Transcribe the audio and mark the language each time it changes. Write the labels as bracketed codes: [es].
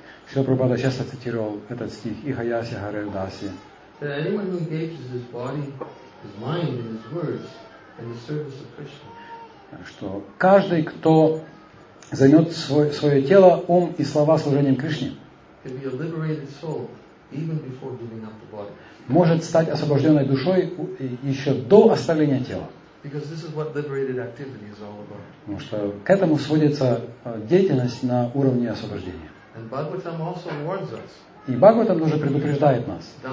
[ru] Шрила Прабхупада часто цитировал этот стих. [sa] Иха яся харе даси. [en] That anyone who engages his body, his mind, and his words in the service of Krishna. [ru] Что каждый, кто займет свое тело, ум и слова служением Кришне, [en] can be a liberated soul even before giving up the body. [ru] Может стать освобожденной душой еще до оставления тела. [en] Because this is what liberated activity is all about. [ru] Потому что к этому сводится деятельность на уровне освобождения. [en] And Bhagavatam also warns us. [ru] И Бхагаватам тоже предупреждает нас.